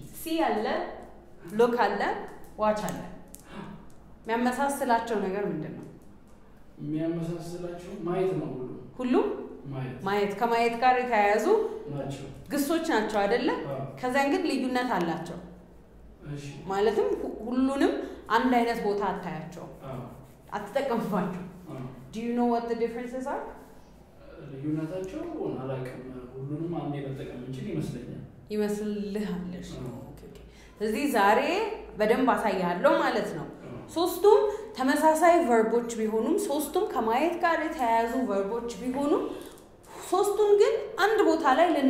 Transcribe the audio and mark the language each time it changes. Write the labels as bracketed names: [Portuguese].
[Amharic] ሲ አለ ሎክ አለ ዋች አለ። የሚያመሳስላቸው ነገር ምንድነው? የሚያመሳስላቸው ማየት ነው። ሁሉ ማየት ከማየት ጋር ተያያዙ ናቸው። ግሶች ናቸው አይደለ? ከዛን ግን ልዩነት አላቸው። እሺ ማለትም ሁሉንም አንድ አይነት ቦታ አታያቸው። አዎ አትጠቀምባቸው። [English] Do you know what the differences are? [Amharic] ልዩነታቸው አላቀም ሁሉንም አንዴ መጠቀም እንችል ይመስለኛል። ይመስልልሃለሽ? ኦኬ ኦኬ። ስለዚህ ዛሬ በደንብ አሳያለሁ ማለት ነው። ሶስቱም ተመሳሳይ ቨርቦች ቢሆኑም ሶስቱም ከማየት ጋር የተያያዙ ቨርቦች ቢሆኑም ሶስቱም ግን አንድ ቦታ ላይ